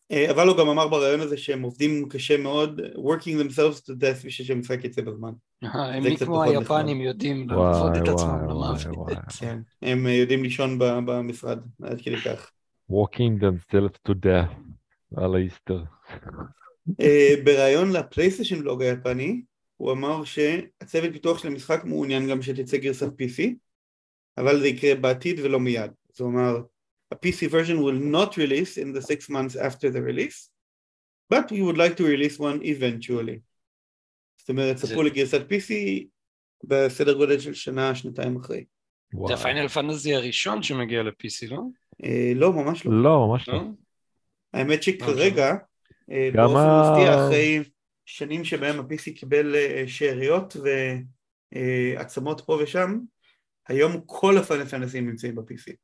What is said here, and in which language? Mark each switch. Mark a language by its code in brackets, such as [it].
[he] אבל הוא גם אמר ברעיון הזה שהם עובדים קשה מאוד, [en] working themselves to death [he] בשביל שהמשחק יצא בזמן. הם כמו היפנים יודעים לעבוד את עצמם למוות. הם יודעים לישון במשרד, עד כדי כך. [en] Walking themselves to death, [he] על האיסטר. ברעיון לפלייסטיישן בלוג היפני, הוא אמר שהצוות פיתוח של המשחק מעוניין גם שתצא גרסת PC, אבל זה יקרה בעתיד ולא מיד. זאת אומרת, [en] a PC version will not release in the 6 months after the release, but we would like to release one eventually. [he] זאת אומרת, צפו לגרסת PC בסדר גודל של שנה, שנתיים אחרי. זה הפיינל פנטזי הראשון שמגיע ל-PC, לא? לא, ממש לא. לא, ממש לא. האמת שכרגע, באופן מפתיע אחרי שנים שבהם ה-PC קיבל שעריות ועצמות פה ושם, היום כל הפיינל פנטזי נמצאים ב-PC.